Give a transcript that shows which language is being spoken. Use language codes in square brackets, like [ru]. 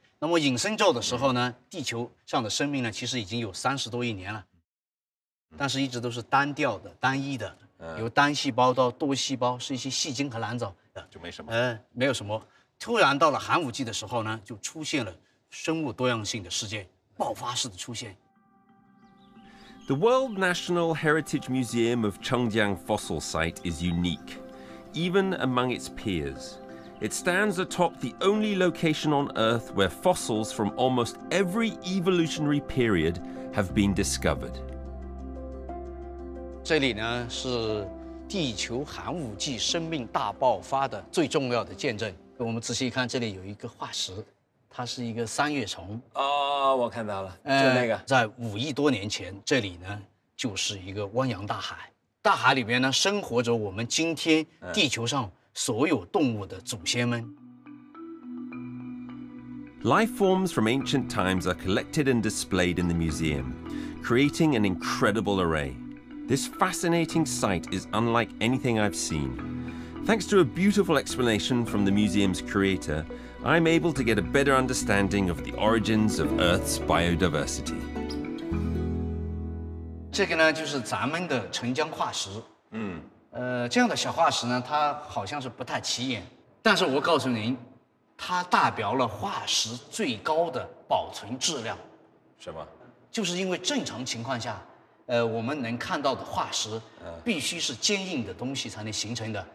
[zh] 那么隐生宙的时候呢，地球上的生命呢，其实已经有30多亿年了，但是一直都是单调的、单一的。由单细胞到多细胞是一些细菌和蓝藻，就没什么。嗯，没有什么。突然到了寒武纪的时候呢，就出现了生物多样性的事件，爆发式的出现。 [en] The World National Heritage Museum of Chengjiang Fossil Site is unique, even among its peers. It stands atop the only location on Earth where fossils from almost every evolutionary period have been discovered. [zh] 这里呢是地球寒武纪生命大爆发的最重要的见证。我们仔细看，这里有一个化石，它是一个三叶虫。哦，我看到了，就那个。在5亿多年前，这里呢就是一个汪洋大海，大海里面呢生活着我们今天地球上所有动物的祖先们。 [en] Life forms from ancient times are collected and displayed in the museum, creating an incredible array. This fascinating sight is unlike anything I've seen. Thanks to a beautiful explanation from the museum's curator, I'm able to get a better understanding of the origins of Earth's biodiversity. [zh] 这个呢，就是咱们的澄江化石。嗯。这样的小化石呢，它好像是不太起眼，但是我告诉您，它代表了化石最高的保存质量。什么？就是因为正常情况下，我们能看到的化石必须是坚硬的东西才能形成的，